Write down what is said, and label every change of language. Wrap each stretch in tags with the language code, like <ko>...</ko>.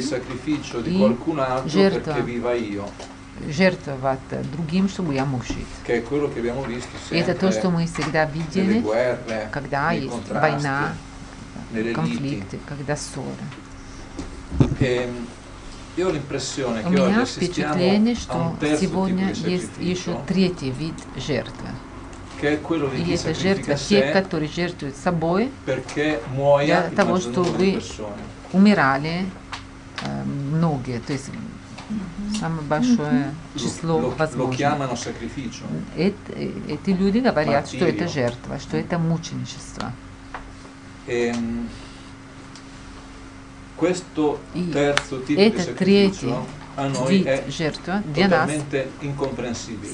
<ru>жертва от другим, чтобы я мог жить. И это то, что мы всегда видели, когда есть война, конфликты, когда ссоры.</ru> <it>Io ho l'impressione che oggi assistiamo a un terzo tipo di sacrificio,</it> <ru>третий вид жертвы,</ru> <it>che è quello di chi sacrifica</it> <ru>те, которые жертвуют собой,</ru> <it>perché muoia</it> <ru>для того, чтобы умирали многие, то есть самое большое число возможно.</ru> <it>Lo chiamano sacrificio.</it> <ru>Эти люди говорят,</ru> <it>Martirio.</it> <ru>Что это жертва, что это мученичество.</ru> <it>Questo terzo tipo di sacrificio a noi è totalmente incomprensibile.</it>